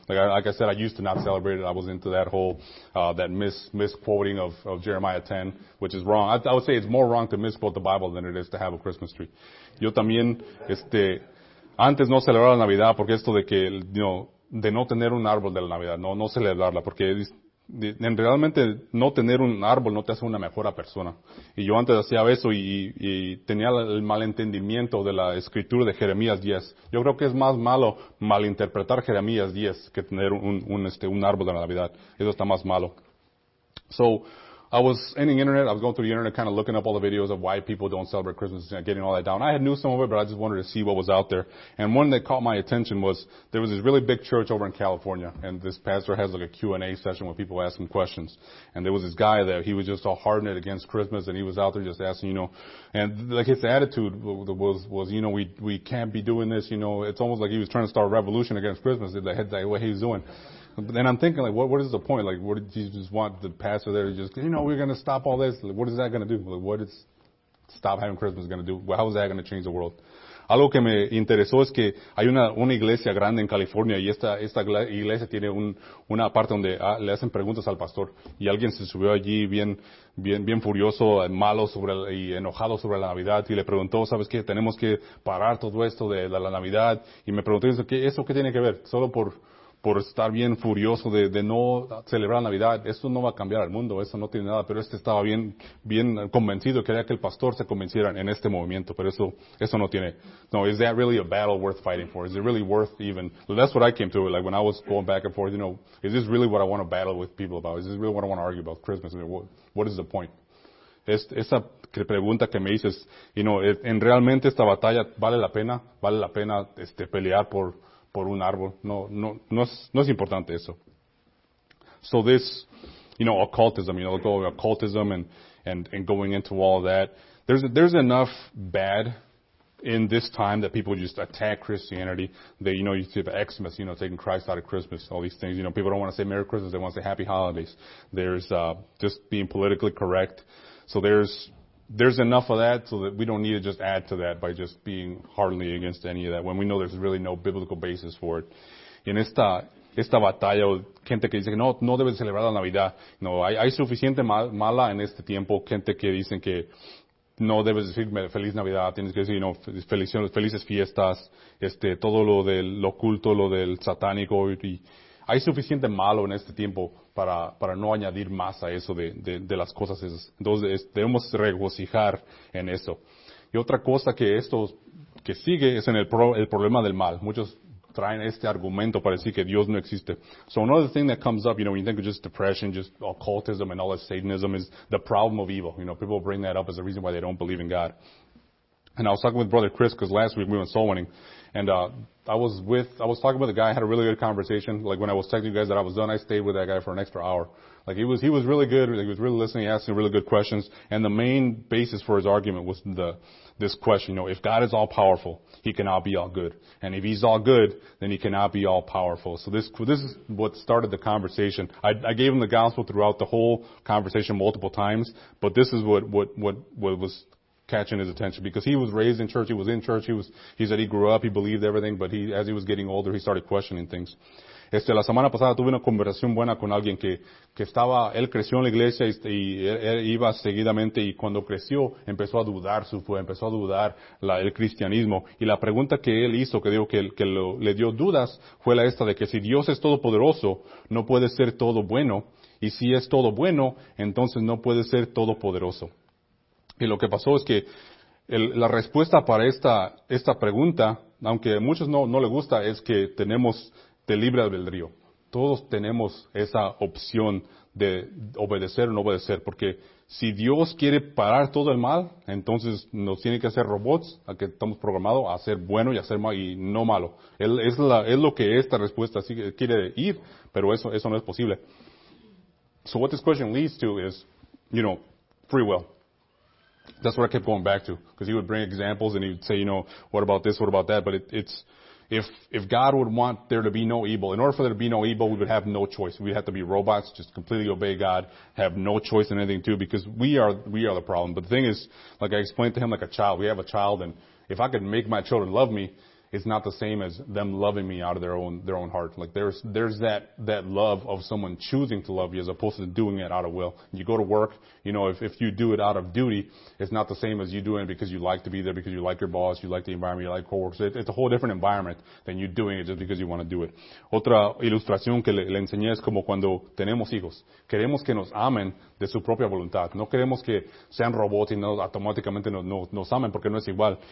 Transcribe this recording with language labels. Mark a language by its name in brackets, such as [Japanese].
[English] Like I said, I used to not celebrate it. I was into that whole misquoting of Jeremiah 10, which is wrong. I would say it's more wrong to misquote the Bible than it is to have a Christmas tree. [Spanish] Yo también, antes no celebraba la Navidad porque esto de que, [English] you know, [Spanish] de no tener un árbol de la Navidad, no celebrarla porque en realmente no tener un árbol no te hace una mejor persona. Y yo antes hacía eso y tenía el malentendimiento de la escritura de Jeremías 10. Yo creo que es más malo malinterpretar Jeremías 10 que tener un árbol de la Navidad. Eso está más malo. [English] So, I was in the internet, I was going through the internet kind of looking up all the videos of why people don't celebrate Christmas and getting all that down. I had knew some of it, but I just wanted to see what was out there. And one that caught my attention was, there was this really big church over in California, and this pastor has like a Q&A session where people ask him questions. And there was this guy there, he was just all hardened against Christmas, and he was out there just asking, you know, and like his attitude was, you know, we can't be doing this, you know, it's almost like he was trying to start a revolution against Christmas, like what he's doing. And I'm thinking, like, what is the point? Like, what did you just want the pastor there to just, you know, we're going to stop all this? Like, what is that going to do? Like, what is stop having Christmas going to do? Well, how is that going to change the world? [Spanish] Algo que me interesó es que hay una iglesia grande en California y esta iglesia tiene una parte donde le hacen preguntas al pastor y alguien se subió allí bien furioso, malo sobre y enojado sobre la Navidad y le preguntó, ¿sabes qué? Tenemos que parar todo esto de la Navidad. Y me preguntó, ¿eso qué tiene que ver? Solo por estar bien furioso de no celebrar Navidad, eso no va a cambiar el mundo, eso no tiene nada, pero estaba bien convencido, quería que el pastor se convenciera en este movimiento, pero eso no tiene. [English] No, is that really a battle worth fighting for? Is it really worth even? Well, that's what I came to, like when I was going back and forth, you know, is this really what I want to battle with people about? Is this really what I want to argue about, Christmas? I mean, what is the point? [Spanish] Esa pregunta que me dices, [English] you know, [Spanish] en realmente esta batalla vale la pena pelear por un árbol. No es importante eso. [English] So this, you know, occultism, you know, going occultism and going into all that. There's enough bad in this time that people just attack Christianity. They, you know, you see the Xmas, you know, taking Christ out of Christmas, all these things. You know, people don't want to say Merry Christmas, they want to say Happy Holidays. There's just being politically correct. So there's enough of that so that we don't need to just add to that by just being hardly against any of that when we know there's really no biblical basis for it. [Spanish] En esta batalla, gente que dice que no debe celebrar la Navidad. No, hay suficiente mala en este tiempo, gente que dicen que no debes decir Feliz Navidad, tienes que decir, [English] you know, [Spanish] felices fiestas, todo lo del oculto, lo del satánico. Y hay suficiente malo en este tiempo para no añadir más a eso de las cosas esas. Entonces, debemos regocijar en eso. Y otra cosa que esto que sigue es en el problema del mal. Muchos traen este argumento para decir que Dios no existe. [English] So another thing that comes up, you know, when you think of just depression, just occultism and all this Satanism, is the problem of evil. You know, people bring that up as a reason why they don't believe in God. And I was talking with Brother Chris, because last week we went soul winning. And I was talking with a guy, had a really good conversation. Like when I was texting you guys that I was done, I stayed with that guy for an extra hour. Like he was really good. He was really listening. He asked some really good questions. And the main basis for his argument was this question, you know, if God is all powerful, he cannot be all good. And if he's all good, then he cannot be all powerful. So this is what started the conversation. I gave him the gospel throughout the whole conversation multiple times, but this is what was catching his attention, because he was raised in church, he was in church, he said he grew up, he believed everything, but as he was getting older, he started questioning things. [Spanish] La semana pasada tuve una conversación buena con alguien que estaba, él creció en la iglesia y él iba seguidamente, y cuando creció empezó a dudar su fe, empezó a dudar el cristianismo. Y la pregunta que él hizo, le dio dudas, fue la esta de que si Dios es todopoderoso, no puede ser todo bueno, y si es todo bueno, entonces no puede ser todopoderoso. Y lo que pasó es que la respuesta para esta pregunta, aunque a muchos no le gusta, es que tenemos de libre albedrío. Todos tenemos esa opción de obedecer o no obedecer, porque si Dios quiere parar todo el mal, entonces nos tiene que hacer robots, a que estamos programados a ser bueno y a ser malo y no malo. Es lo que esta respuesta quiere ir, pero eso no es posible. [English] So what this question leads to is, you know, free will. That's what I kept going back to, because he would bring examples and he would say, you know, what about this, what about that, but it's if God would want there to be no evil, in order for there to be no evil, we would have no choice. We'd have to be robots, just completely obey God, have no choice in anything too, because we are the problem. But the thing is, like I explained to him, like a child, we have a child, and if I could make my children love me, it's not the same as them loving me out of their own heart. Like there's that love of someone choosing to love you as opposed to doing it out of will. You go to work, you know, if you do it out of duty, it's not the same as you doing it because you like to be there, because you like your boss, you like the environment, you like coworkers. It's a whole different environment than you doing it just because you want to do it. [Spanish] Otra ilustración que le enseñé es como cuando tenemos hijos. Queremos que nos amen de su propia voluntad. No queremos que sean robots y no automáticamente nos amen, porque no es igual.